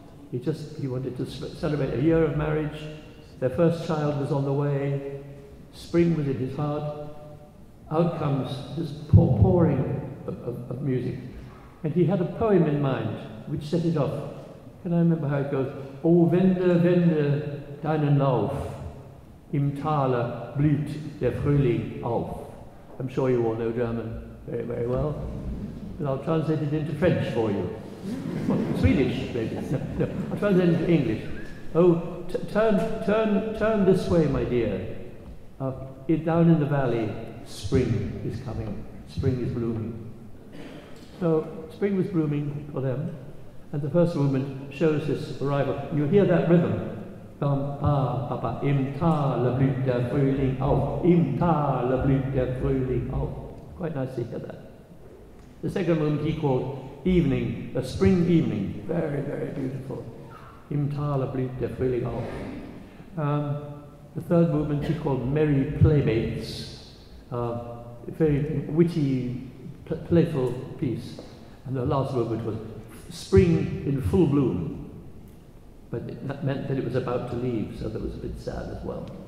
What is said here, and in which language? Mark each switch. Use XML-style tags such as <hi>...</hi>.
<en>He wanted to celebrate a year of marriage. Their first child was on the way. Spring was in his heart. Out comes this pouring of music. And he had a poem in mind, which set it off. Can I remember how it goes?</en> <de>O Wende, Wende, deinen Lauf, im Tale blüht der Frühling auf.</de> <en>I'm sure you all know German very, very well. But I'll translate it into French for you. Well, Swedish, maybe. No, I'll translate it into English. Oh, turn this way, my dear. Down in the valley, spring is coming. Spring is blooming. So spring was blooming for them. And the first movement shows this arrival. You hear that rhythm.</en> <de>Bum, ah, papa, im Tal, la blüht der Frühling auf. Im Tal, la blüht der Frühling auf.</de> <en>Quite nice to hear that. The second movement he called evening, a spring evening. Very, very beautiful.</en> <de>Im Tal, la blüht der Frühling auf.</de> <en>The third movement he called merry playmates. Very witty, playful piece. And the last movement was spring in full bloom. But that meant that it was about to leave, so that was a bit sad as well.</en>